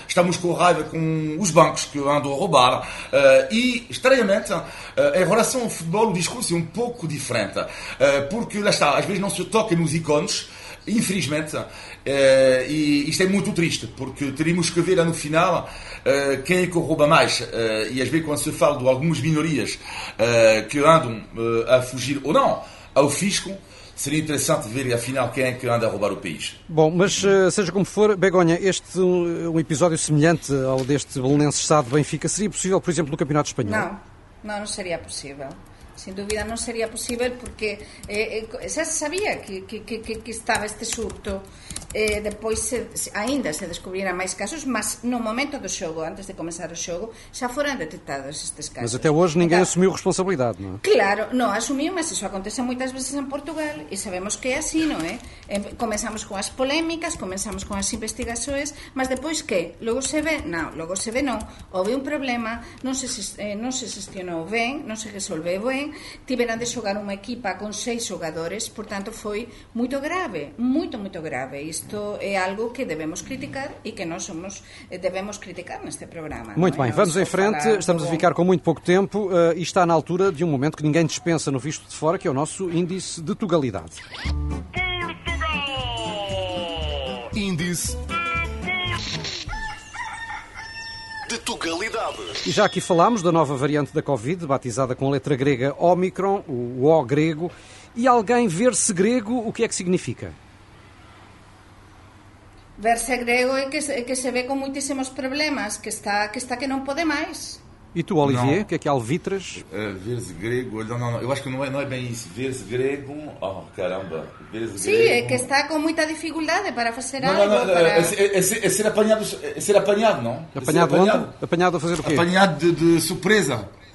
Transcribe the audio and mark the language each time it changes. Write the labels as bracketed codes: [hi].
[pt] Estamos com raiva com os bancos que andam a roubar e, estranhamente, em relação ao futebol o discurso é um pouco diferente porque, lá está, às vezes não se toca nos ícones, infelizmente, e isto é muito triste porque teríamos que ver lá no final quem é que rouba mais e às vezes quando se fala de algumas minorias que andam a fugir ou não ao fisco. Seria interessante ver, afinal, quem é que anda a roubar o país. Bom, mas seja como for, Begonha, este um episódio semelhante ao deste Belenenses-Sado Benfica seria possível, por exemplo, no Campeonato Espanhol? Não seria possível. [gl] sin dúbida non sería posible porque xa se sabía que estaba este surto. Depois aínda se descubriran máis casos, mas no momento do xogo, antes de comenzar o xogo, xa foran detectados estes casos. [pt] Mas até hoje ninguém assumiu responsabilidade, [gl] non? Claro, non asumiu, mas iso acontece moitas veces en Portugal e sabemos que é así, non é? Comenzamos con as polémicas, comenzamos con as investigações, mas depois que? Logo se ve? Non, logo se ve non. Houve un problema, non se xestionou ben, non se resolveu ben, tiveran de xogar unha equipa con seis xogadores, portanto foi moito grave, moito, moito grave. [pt] Isto é algo que devemos criticar e que nós somos, devemos criticar neste programa. Muito bem, vamos em frente, estamos a ficar com muito pouco tempo e está na altura de um momento que ninguém dispensa no visto de fora, que é o nosso índice de tugalidade. Portugal! Índice de tugalidade. E já aqui falámos da nova variante da Covid, batizada com a letra grega Ómicron, o O grego, e alguém ver-se grego, o que é que significa? [gl] Verse grego é que se ve con moitísimos problemas, que está que non pode máis. [pt] E tu, Olivier, o que é que alvitras? Verse grego, não, eu acho que não é bem isso. Verse grego, oh caramba, verse [gl] sí, [pt] grego... Sim, é que está com muita dificuldade para fazer não, algo. para... é ser apanhado, não? Apanhado onde? Apanhado a fazer o quê? Apanhado de surpresa.